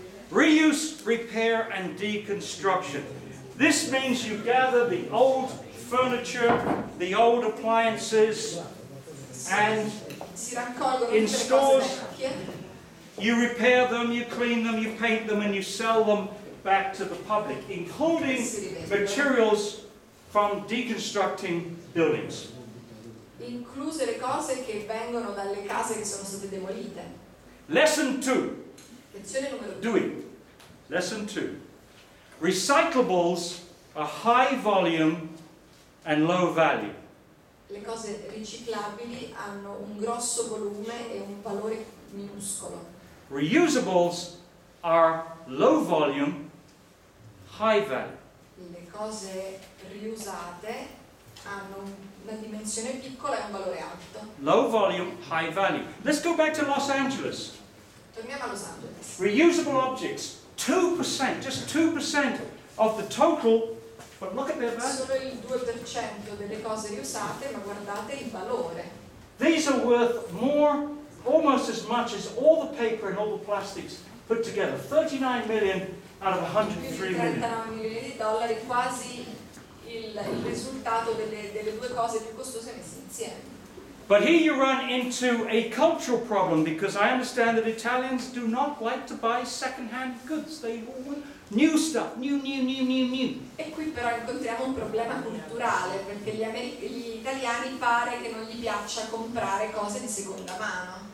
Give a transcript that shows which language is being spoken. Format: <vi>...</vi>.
<en>Reuse, repair, and deconstruction. This means you gather the old furniture, the old appliances, and in stores, you repair them, you clean them, you paint them, and you sell them back to the public, including materials from deconstructing buildings.</en> <it>Incluse le cose che vengono dalle case che sono state demolite.</it> <en>Lesson 2.</en> <it>Lezione numero 2.</it> <en>Do it. Lesson 2. Recyclables are high volume and low value.</en> <it>Le cose riciclabili hanno un grosso volume e un valore minuscolo.</it> <en>Reusables are low volume, high value.</en> <it>Le cose riusate hanno una dimensione piccola e un valore alto.</it> <en>Low volume, high value. Let's go back to Los Angeles.</en> <it>Torniamo a Los Angeles.</it> <en>Reusable objects, 2%, just 2% of the total. But look at their value.</en> <it>Solo il 2% delle cose riusate, ma guardate il valore.</it> <en>These are worth more, almost as much as all the paper and all the plastics put together. 39 million out of 103 million.</en> <it>39 milioni di dollari, quasi il risultato delle due cose più costose messe insieme.</it> <en>But here you run into a cultural problem, because I understand that Italians do not like to buy second-hand goods. They all want new stuff, new.</en> <it>E qui però incontriamo un problema culturale, perché gli italiani pare che non gli piaccia comprare cose di seconda mano.</it>